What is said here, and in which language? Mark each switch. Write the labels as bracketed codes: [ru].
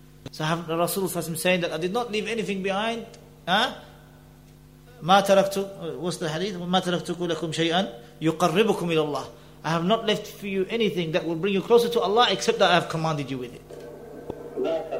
[en] So I have the Rasulullah ﷺ saying that I did not leave anything behind. [ar] ما تركت, [en] what's the hadith? [ar] ما تركتك لكم شيئا يقربكم إلى الله. [en] I have not left for you anything that will bring you closer to Allah except that I have commanded you with it.